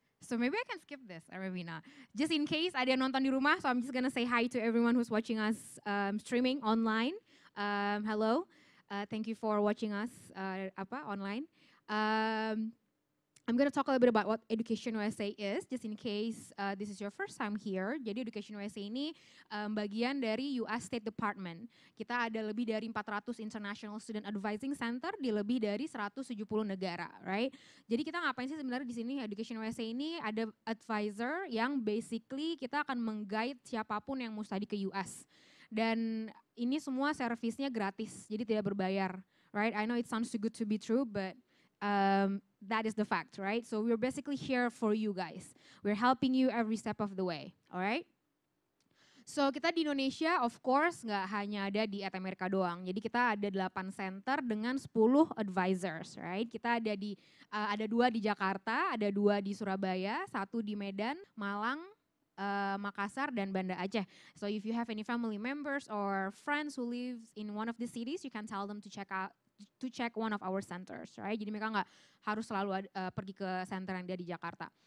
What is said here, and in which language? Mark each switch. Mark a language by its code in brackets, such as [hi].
[en] So maybe I can skip this, Arabina. Just in case [id] ada yang nonton di rumah, [en] so I'm just gonna say hi to everyone who's watching us streaming online. Hello, thank you for watching us online. I'm gonna talk a little bit about what EducationUSA is, just in case this is your first time here. [id] Jadi EducationUSA ini bagian dari US State Department. Kita ada lebih dari 400 International Student Advising Center di lebih dari 170 negara, right? Jadi kita ngapain sih sebenarnya di sini? EducationUSA ini ada advisor yang basically kita akan meng-guide siapapun yang mau study ke US. Dan ini semua servisnya gratis, jadi tidak berbayar, right? [en] I know it sounds too good to be true, but that is the fact, right? So we're basically here for you guys. We're helping you every step of the way, all right? [id] So kita di Indonesia, [en] of course, [id] nggak hanya ada di Ed America doang. Jadi kita ada 8 center dengan 10 advisors, right? Kita ada di ada 2 di Jakarta, ada 2 di Surabaya, 1 di Medan, Malang, Makassar dan Banda Aceh. [en] So if you have any family members or friends who lives in one of the cities, you can tell them to check one of our centers, right? [id] Jadi mereka nggak harus selalu pergi ke center yang dia di Jakarta.